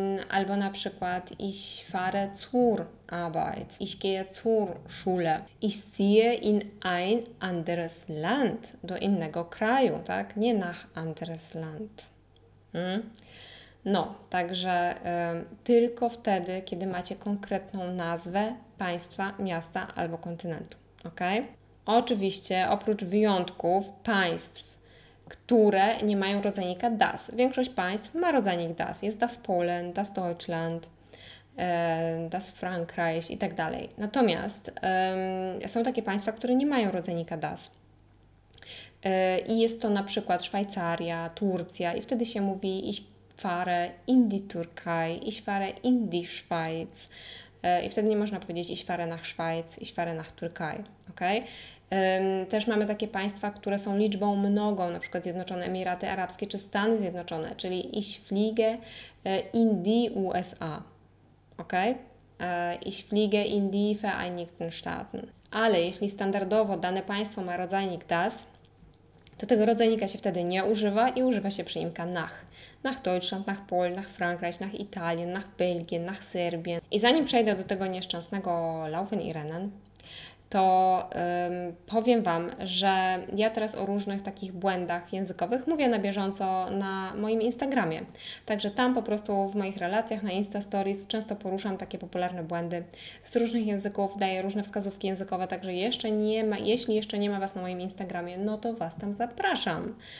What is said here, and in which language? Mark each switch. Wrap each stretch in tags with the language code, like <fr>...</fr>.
<pl>Albo na przykład</pl> <de>ich fahre zur Arbeit, ich gehe zur Schule, ich ziehe in ein anderes Land,</de> <pl>do innego kraju, tak? Nie nach anderes Land. No, także tylko wtedy, kiedy macie konkretną nazwę państwa, miasta albo kontynentu. Ok? Oczywiście oprócz wyjątków państw, które nie mają rodzajnika das. Większość państw ma rodzajnik das. Jest das Polen, das Deutschland, das Frankreich i tak dalej. Natomiast są takie państwa, które nie mają rodzajnika das. I jest to na przykład Szwajcaria, Turcja i wtedy się mówi</pl> <de>ich fahre in die Türkei, ich fahre in die Schweiz.</de> <pl>I wtedy nie można powiedzieć</pl> <de>ich fahre nach Schweiz, ich fahre nach Türkei,</de> <pl>ok? Też mamy takie państwa, które są liczbą mnogą, na przykład Zjednoczone Emiraty Arabskie czy Stany Zjednoczone, czyli</pl> <de>ich fliege in die USA,</de> <pl>ok?</pl> <de>Ich fliege in die Vereinigten Staaten.</de> <pl>Ale jeśli standardowo dane państwo ma rodzajnik das, to tego rodzajnika się wtedy nie używa i używa się przyimka nach.</pl> <de>Nach Deutschland, nach Polen, nach Frankreich, nach Italię, nach Belgię, nach Serbię.</de> <pl>I zanim przejdę do tego nieszczęsnego Laufen i Rennen, to powiem Wam, że ja teraz o różnych takich błędach językowych mówię na bieżąco na moim Instagramie. Także tam po prostu w moich relacjach na Insta Stories często poruszam takie popularne błędy z różnych języków, daję różne wskazówki językowe, także jeszcze nie ma, jeśli jeszcze nie ma Was na moim Instagramie, no to Was tam zapraszam.</pl>